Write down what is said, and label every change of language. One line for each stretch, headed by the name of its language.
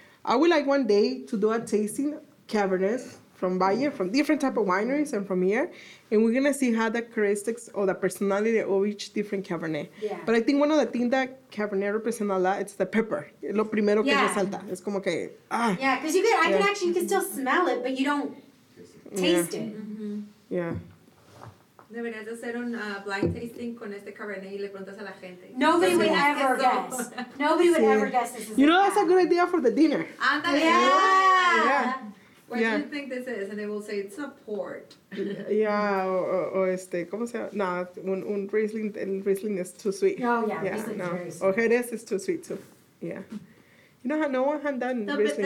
English: I would like one day to do a tasting Cabernet from Valle, from different type of wineries and from here. And we're going to see how the characteristics or the personality of each different Cabernet. Yeah. But I think one of the things that Cabernet represents a lot, it's the pepper.
Spanish: Es lo primero que resalta. Es como que,
English: Yeah, because you can still smell it, but you don't taste it. Mm-hmm. Yeah.
Spanish: Deberías hacer un blind tasting con este Cabernet y le preguntas a la gente.
English: Nobody would ever guess this. You know, that's a good idea for the dinner.
Spanish: Anda,
English: What do you think this is? And they will say it's a port. Yeah, or
Spanish: ¿cómo se llama? No, un
English: Riesling is too sweet. Oh, yeah, Riesling is very sweet. Or Jerez is too sweet, too. Yeah. You know how no one had done Riesling?